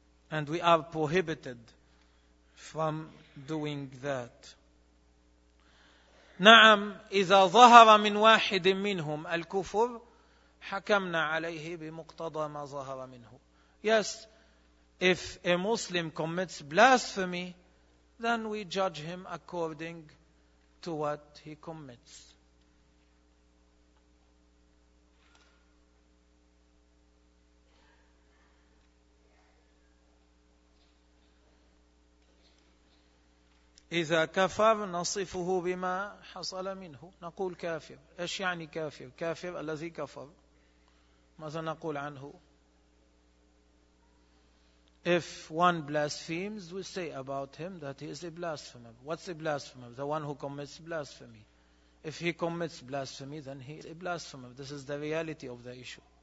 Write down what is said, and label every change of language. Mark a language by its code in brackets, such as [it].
[en] And we are prohibited from doing that. [ar] نعم إذا ظهر من واحد منهم الكفر حكمنا عليه بمقتضى ما ظهر منه. [en] Yes, if a Muslim commits blasphemy, then we judge him according to what he commits. [ar] إذا كفر نصفه بما حصل منه. نقول كافر. إيش يعني كافر؟ كافر الذي كفر. ماذا نقول عنه؟ [en] If one blasphemes, we say about him that he is a blasphemer. What's a blasphemer? The one who commits blasphemy. If he commits blasphemy, then he is a blasphemer. This is the reality of the issue.